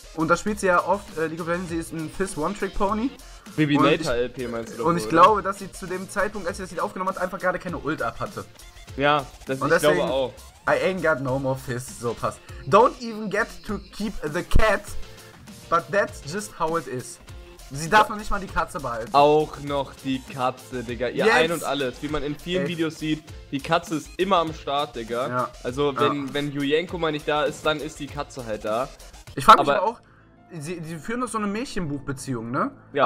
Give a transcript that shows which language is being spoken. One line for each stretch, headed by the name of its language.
German: Und da spielt sie ja oft, League of Legends, sie ist ein Fizz One-Trick-Pony. BBNator-LP meinst du doch. Und ich glaube, dass sie zu dem Zeitpunkt, als sie das Lied aufgenommen hat, einfach gerade keine Ult-Up hatte. Ja, das ich deswegen, glaube auch.
English: I ain't got no more fists,
German: so passt.
English: Don't even get to keep the cat, but that's just how it is.
German: Sie darf noch nicht mal die Katze behalten. Auch noch die Katze, Digga. Ihr ein und alles. Wie man in vielen Videos sieht, die Katze ist immer am Start, Digga. Ja. Also wenn Julienko mal nicht da ist, dann ist die Katze halt da. Ich frage mich auch, sie führen doch so eine Mädchenbuchbeziehung, ne? Ja.